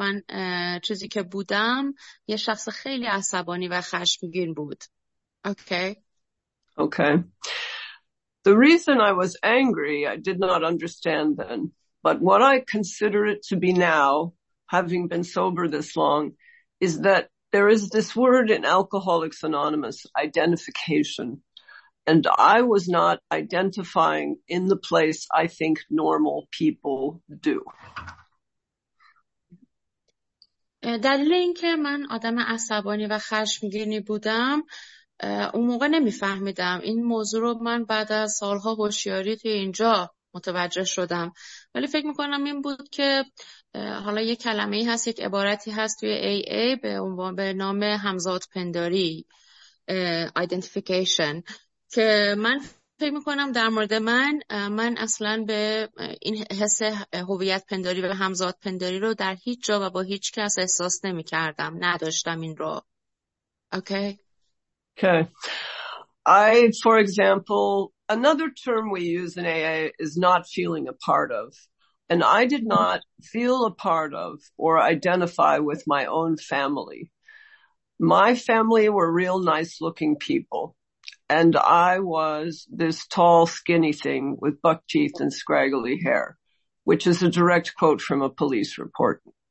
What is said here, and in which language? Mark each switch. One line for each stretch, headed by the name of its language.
Persian: من چیزی که بودم یه شخص خیلی عصبانی و خشمگین بود.
English: Okay. The reason I was angry, I did not understand then, but what I consider it to be now, having been sober this long, is that there is this word in Alcoholics Anonymous, identification. And I was not identifying in the place I think normal people do.
Persian: دلیل اینکه من آدم عصبانی و خشمگینی بودم، اون موقع نمیفهمیدم. این موضوع رو من بعد از سالها هوشیاری توی اینجا متوجه شدم. ولی فکر میکنم این بود که حالا یک کلمه ای هست، یک عبارتی هست توی AA به عنوان به نام همزادپنداری، identification، که من فکر میکنم در مورد من اصلا به این حس هویت پنداری و همزاد پنداری رو در هیچ جا و با هیچ کس احساس نمیکردم، نداشتم این رو.
English: Okay. I, for example, another term we use in AA is not feeling a part of. And I did not feel a part of or identify with my own family. My family were real nice looking people. And I was this tall, skinny thing with buck teeth and scraggly hair, which is a direct quote from a police report.